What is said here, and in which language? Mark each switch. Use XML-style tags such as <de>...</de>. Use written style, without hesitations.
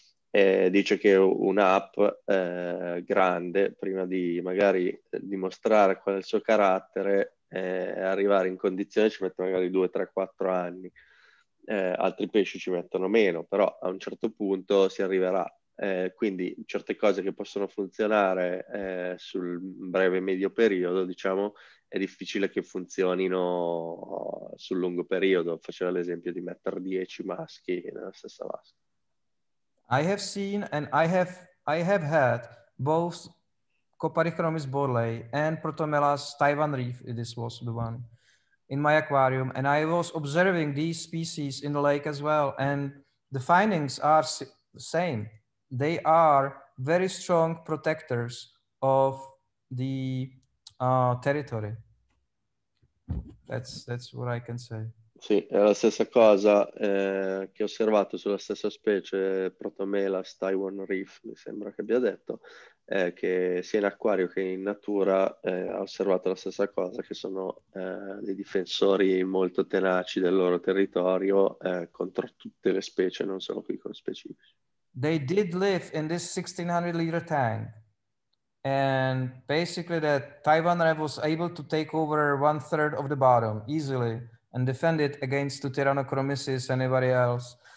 <it>Dice che un'app grande, prima di magari dimostrare qual è il suo carattere, arrivare in condizione ci mette magari 2, 3, 4 anni, altri pesci ci mettono meno, però a un certo punto si arriverà, quindi certe cose che possono funzionare sul breve medio periodo, diciamo, è difficile che funzionino sul lungo periodo. Faceva l'esempio di mettere 10 maschi nella stessa vasca.</it> <en>I have seen and I have had both Coparichromis borlei and Protomelas Taiwan reef, this was the one, in my aquarium. And I was observing these species in the lake as well. And the findings are the same. They are very strong protectors of the territory. That's what I can say.</en> <it>Sì, è la stessa cosa che ho osservato sulla stessa specie, Protomelas Taiwan reef, mi sembra che abbia detto. Che sia in acquario che in natura ha osservato la stessa cosa, che sono dei difensori molto tenaci del loro territorio contro tutte le specie, non solo qui con specifici.</it> <en>They did live in this 1600 liter tank, and basically that Taiwan rev was able to take over 1/3 of the bottom easily and defend it against the Tyrannochromysis and anybody else.</en>